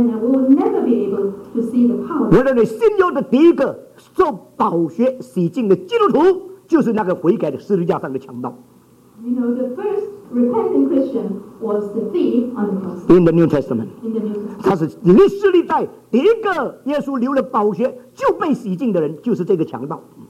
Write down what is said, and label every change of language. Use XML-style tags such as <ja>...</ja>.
<en>If we measure God in this manner, we will never be able to see the power.</en> <zh>我认为信仰的第一个受宝血洗净的基督徒，就是那个悔改的十字架上的强盗。</zh> <en>You know, the first repentant Christian was the thief on the cross. In the New Testament.</en> <zh>他是历史历代第一个耶稣流了宝血就被洗净的人，就是这个强盗。</zh>